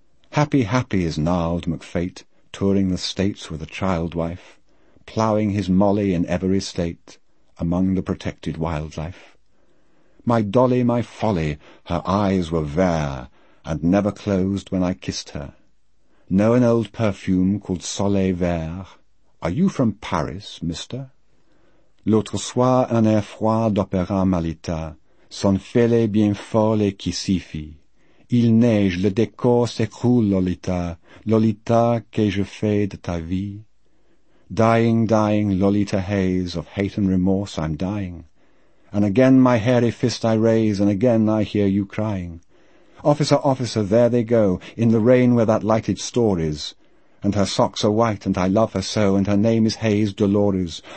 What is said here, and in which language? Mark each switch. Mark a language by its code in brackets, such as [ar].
[en] Happy, happy is gnarled McFate, touring the States with a child-wife, ploughing his molly in every state, among the protected wildlife. My dolly, my folly, her eyes were there, and never closed when I kissed her. Know an old perfume called Soleil Vert? Are you from Paris, mister? [fr] L'autre soir un air froid d'opéra malita, son fêlé bien folle qui s'y fit. Il neige, le décor s'écroule, Lolita, Lolita, que je fais de ta vie? [en] Dying, dying, Lolita Hayes, of hate and remorse I'm dying. And again my hairy fist I raise, and again I hear you crying. Officer, officer, there they go, in the rain where that lighted store is. And her socks are white, and I love her so, and her name is Hayes Dolores.